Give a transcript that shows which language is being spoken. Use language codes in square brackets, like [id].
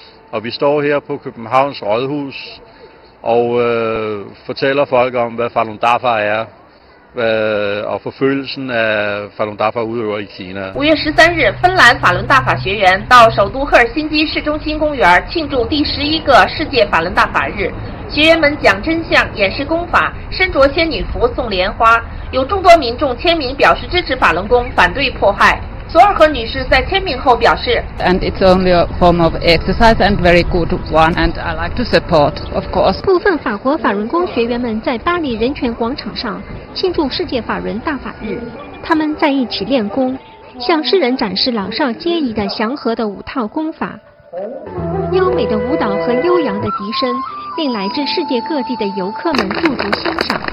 [da] Og vi står her på Københavns Rådhus og fortæller folk om hvad Falun Dafa er, og forfølgelsen af Falun Dafa udøver i Kina. [zh] 5月13日，芬兰法轮大法学员到首都赫尔辛基市中心公园庆祝第11个世界法轮大法日。学员们讲真相，演示功法，身着仙女服送莲花，有众多民众签名表示支持法轮功，反对迫害。索尔和女士在签名后表示， [en] And it's only a form of exercise and very good one, and I like to support, of course. [zh] 部分法国法轮功学员们在巴黎人权广场上庆祝世界法轮大法日，他们在一起练功，向世人展示老少皆宜的祥和的五套功法。优美的舞蹈和悠扬的笛声令来自世界各地的游客们驻足欣赏。